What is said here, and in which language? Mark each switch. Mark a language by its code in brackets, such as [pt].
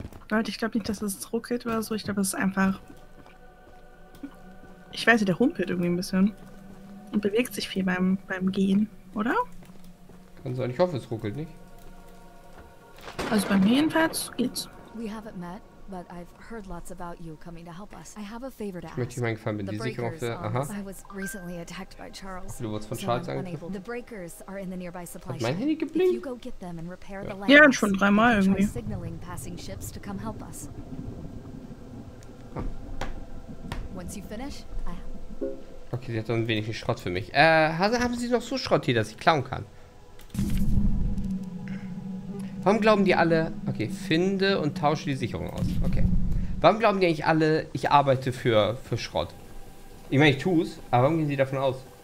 [de] Leute, ich glaube nicht, dass es ruckelt oder so. Ich glaube, es ist einfach... Ich weiß nicht, der humpelt irgendwie ein bisschen. Und bewegt sich viel beim Gehen, oder? Kann sein. Ich hoffe, es ruckelt nicht. Also bei mir jedenfalls geht's. [en] We haven't met. But I've heard lots about you coming to help us. I have a favor to ask. [de] Ich möchte meinen Gefallen mit die Sicherung auf der... Aha. [en] I was recently attacked by Charles. [de] Du wurdest von Charles angegriffen. [en] The breakers are in the nearby supply shop. [de] Hat mein Handy geblinkt? [en] If you go get them and repair the lights. [de] Ja, schon dreimal irgendwie. [en] Try signaling passing ships to come help us. Once you finish, I have... [de] Okay, sie hat dann ein wenig Schrott für mich. Haben Sie noch so Schrott hier, dass ich klauen kann? Warum glauben die alle... Okay, finde und tausche die Sicherung aus. Okay. Warum glauben die eigentlich alle, ich arbeite für Schrott? Ich meine, ich tue es, aber warum gehen sie davon aus?